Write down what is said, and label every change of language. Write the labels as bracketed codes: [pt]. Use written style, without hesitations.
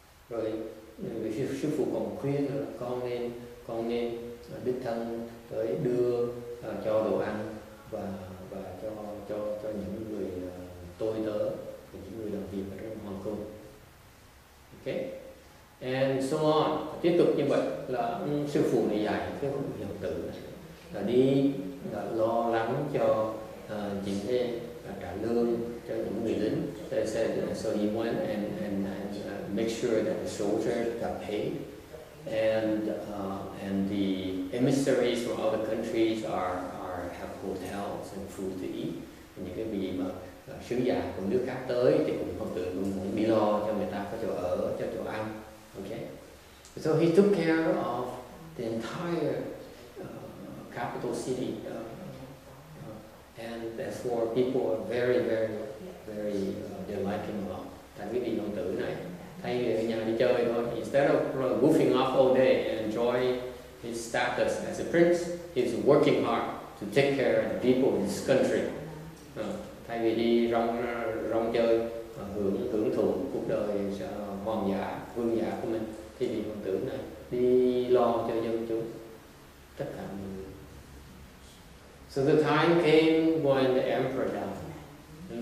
[vi] Rồi sư phụ còn khuyên là con nên đích thân tới đưa cho đồ ăn và cho những người tôi tớ và những người làm việc ở trong hoàng cung. [en] Okay, and so on. [vi] Tiếp tục như vậy là sư phụ này dạy cái hiện tử là đi là lo lắng cho chính thế trả lương cho những người lính. [en] They said so he went and make sure that the soldiers got paid, and the emissaries from other countries are have hotels and food to eat. [vi] And những cái vị mà sứ giả của nước khác tới thì cũng không tự luôn muốn đi lo cho người ta có chỗ ở, cho chỗ ăn. [en] Okay. So he took care of the entire capital city. And therefore, people are very, very, very delighting about [vi] tại vì ông tử này thay vì ở nhà đi chơi thôi, [en] instead of goofing off all day and enjoy his status as a prince, he's working hard to take care of the people in his country. [vi] Thay vì đi rong chơi hưởng thụ cuộc đời hoàng giả vương giả của mình, thì vị ông tử này đi lo cho dân chúng tất cả. [en] So the time came when the emperor died.